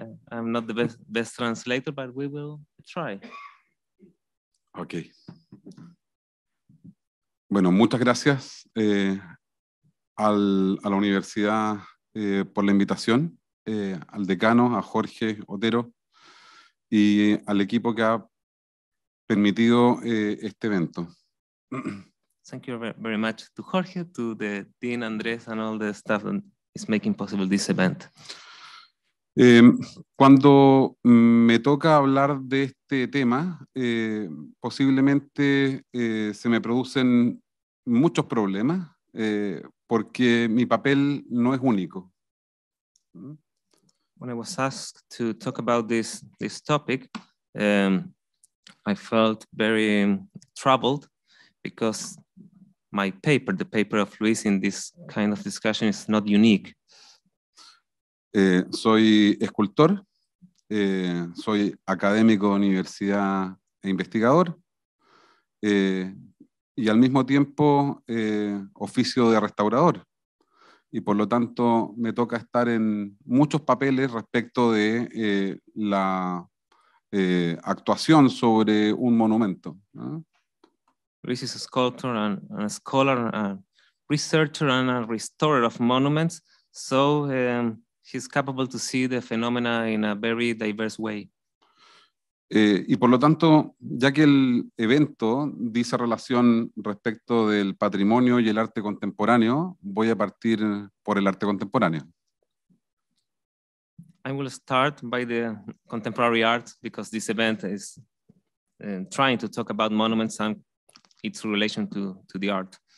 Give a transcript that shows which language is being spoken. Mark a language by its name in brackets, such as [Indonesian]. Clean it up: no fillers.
[English] I'm not the best translator, but we will try. Okay. [Spanish] Bueno, muchas gracias a la universidad por la invitación, al decano, a Jorge Otero, y al equipo que ha permitido este evento. [English] Thank you very much to Jorge, to the Dean Andrés, and all the staff that is making possible this event. [Spanish] Cuando me toca hablar de este tema, posiblemente se me producen muchos problemas, porque mi papel no es único. [English] When I was asked to talk about this topic, I felt very troubled because my paper, the paper of Luis in this kind of discussion, is not unique. [Spanish] Soy escultor, soy académico de universidad e investigador, y al mismo tiempo oficio de restaurador. Y por lo tanto me toca estar en muchos papeles respecto de la actuación sobre un monumento. [English] Luis is a sculptor and a scholar, a researcher and a restorer of monuments. So he's capable to see the phenomena in a very diverse way. [Spanish] Y por lo tanto, ya que el evento dice relación respecto del patrimonio y el arte contemporáneo, voy a partir por el arte contemporáneo. [English] I will start by the contemporary art because this event is trying to talk about monuments and its relation to the art.